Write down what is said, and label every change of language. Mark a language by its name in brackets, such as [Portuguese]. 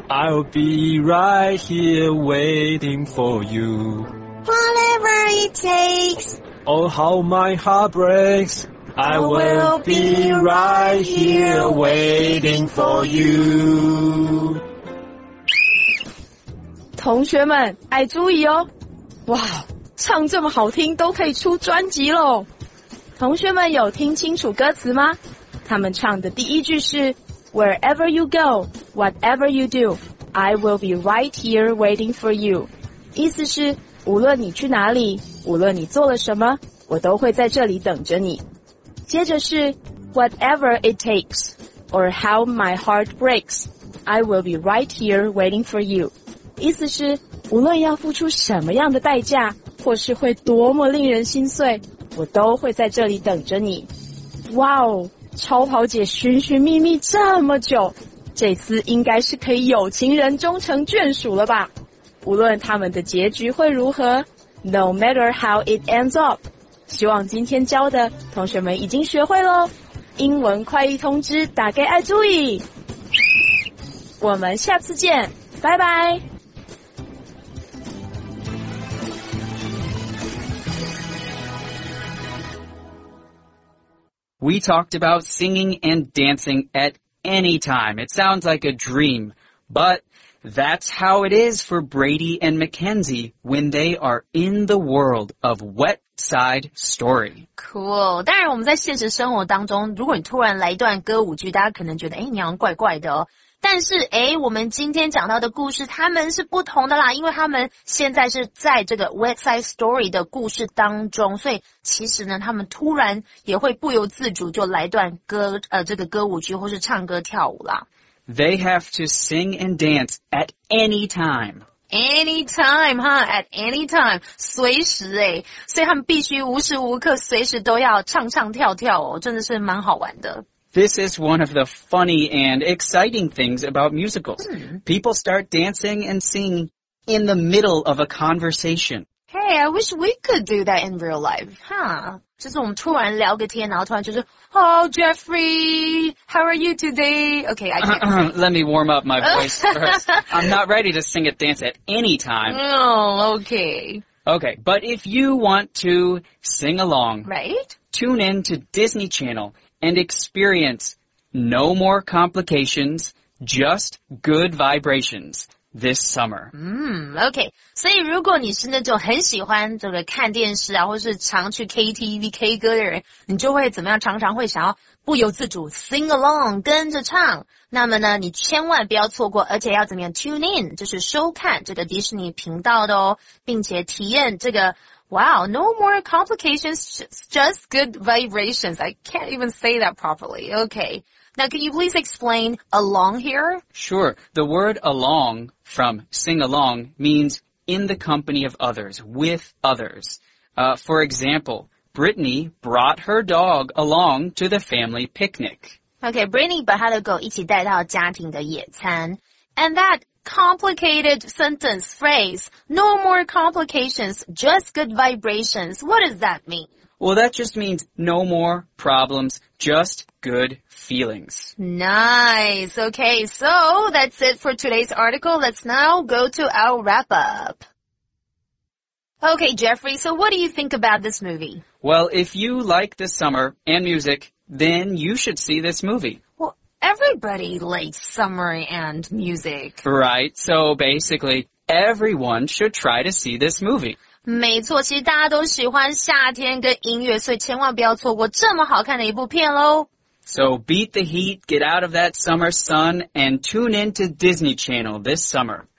[English] I'll be right here waiting for you. Whatever it takes, oh how my heart breaks, I will be right here waiting for you. [Chinese] 同学们，爱注意哦！哇，唱这么好听都可以出专辑咯。同学们有听清楚歌词吗？他们唱的第一句是 [English] Wherever you go, whatever you do, I will be right here waiting for you. [Chinese] 意思是无论你去哪里，无论你做了什么，我都会在这里等着你。接着是 [English] Whatever it takes, or how my heart breaks, I will be right here waiting for you. [Chinese] 意思是无论要付出什么样的代价，或是会多么令人心碎，我都会在这里等着你。哇哦！超跑姐寻寻觅觅这么久，这次应该是可以有情人终成眷属了吧。无论他们的结局会如何， [English] No matter how it ends up, [Chinese] 希望今天教的同学们已经学会喽。英文快译通知打给爱注意，我们下次见，拜拜。 [English] We talked about singing and dancing at any time. It sounds like a dream, but that's how it is for Brady and Mackenzie when they are in the world of Wet Side Story. Cool. [Chinese] 当然我们在现实生活当中，如果你突然来一段歌舞剧，大家可能觉得哎，你好像怪怪的哦。但是哎，我们今天讲到的故事他们是不同的啦，因为他们现在是在这个 Wet Side Story 的故事当中，所以其实呢他们突然也会不由自主就来段歌这个歌舞剧或是唱歌跳舞啦。 [English] They have to sing and dance at any time. Any time, huh? At any time. [Chinese] 随时耶。所以他们必须无时无刻随时都要唱唱跳跳哦，真的是蛮好玩的。 [English] This is one of the funny and exciting things about musicals. People start dancing and singing in the middle of a conversation. Hey, I wish we could do that in real life, huh? [Chinese] 就是我们突然聊个天，然后突然就是 [English] Oh, Jeffrey, how are you today? Okay, I can't Let me warm up my voice first. I'm not ready to sing a dance at any time. Oh, okay. Okay, but if you want to sing along, right? Tune in to Disney Channel. And experience no more complications, just good vibrations this summer. Okay. [Chinese] 所以如果你是那种很喜欢这个看电视啊，或是常去 KTV K 歌的人，你就会怎么样？常常会想要不由自主 [English] sing along [Chinese] 跟着唱。那么呢，你千万不要错过，而且要怎么样 [English] tune in， [Chinese] 就是收看这个迪士尼频道的哦，并且体验这个。 [English] Wow, no more complications, just good vibrations. I can't even say that properly. Okay. Now, can you please explain along here? Sure. The word along from sing along means in the company of others, with others. For example, Brittany brought her dog along to the family picnic. [Chinese] Okay, Brittany 把她的狗一起带到家庭的野餐。 [English] And that... complicated sentence phrase, no more complications, just good vibrations. What does that mean? Well, that just means no more problems, just good feelings. Nice. Okay, so that's it for today's article. Let's now go to our wrap up. Okay, Jeffrey, so what do you think about this movie? Well, if you like the summer and music, then you should see this movie. Everybody likes summer and music. Right, so basically, everyone should try to see this movie. [Chinese] 没错，其实大家都喜欢夏天跟音乐，所以千万不要错过这么好看的一部片咯。 [English] So beat the heat, get out of that summer sun, and tune in to Disney Channel this summer.